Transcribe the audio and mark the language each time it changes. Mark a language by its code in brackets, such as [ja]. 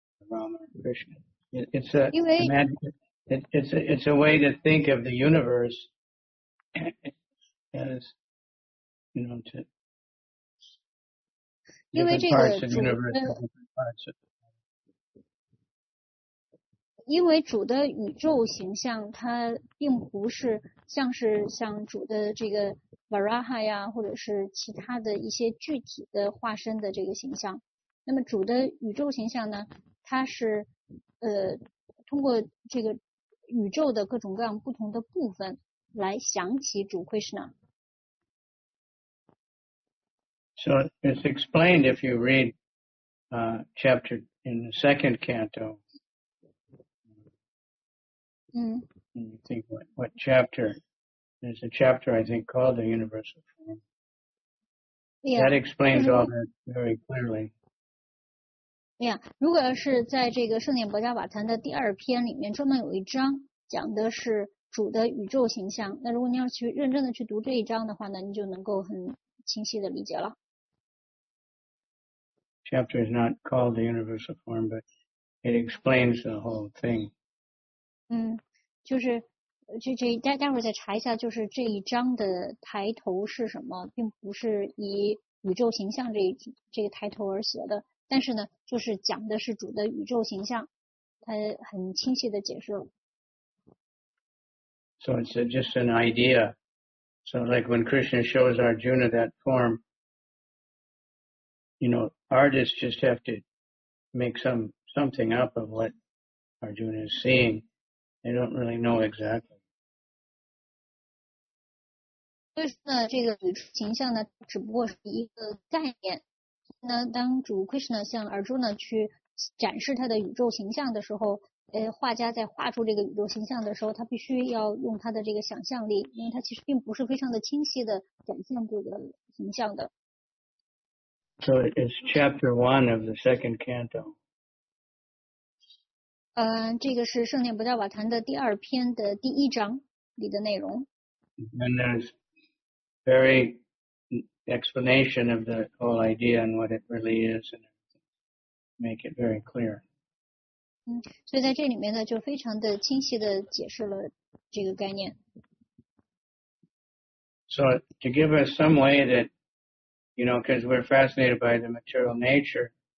[en] Rama Krishna. It's a way to think of the universe. As, you know, to different parts of the universe, different parts. [zh] 因为主的宇宙形象，它并不是像主的这个 Varaha 呀，或者是其他的一些具体的化身的这个形象。那么主的宇宙形象呢，它是通过这个宇宙的各种各样不同的部分来想起主 Krishna。 [en] So it's explained if you read chapter in the second canto. And you think what chapter? There's a chapter, I think, called the Universal Form. Yeah. That explains all that very clearly. Yeah. [zh] 如果是在这个圣典博迦瓦坛的第二篇里面专门有一章讲的是主的宇宙形象，那如果你要去认真的去读这一章的话呢，你就能够很清晰的理解了。 [en] Chapter is not called the universal form, but it explains the whole thing. [zh] 就是这待会儿再查一下，就是这一章的抬头是什么，并不是以宇宙形象这个抬头而写的，但是呢，就是讲的是主的宇宙形象，它很清晰的解释了。 [en] So it's just an idea. So like when Krishna shows Arjuna that form, you know,Artists just have to make something up of what Arjuna is seeing. They don't really know exactly. [zh] 所以说呢，这个宇宙形象呢，只不过是一个概念。那当主 Krishna 向 Arjuna 去展示他的宇宙形象的时候，画家在画出这个宇宙形象的时候，他必须要用他的这个想象力，因为他其实并不是非常的清晰的展现这个形象的。 [en] So it's chapter 1 of the second canto. [zh] 这个是圣典博迦瓦坛的第二篇的第一章里的内容。 [en] And there's very explanation of the whole idea and what it really is, and make it very clear. [zh] 所以在这里面呢，就非常的清晰的解释了这个概念。 [en] So to give us some way that, you know, because we're fascinated by the material nature.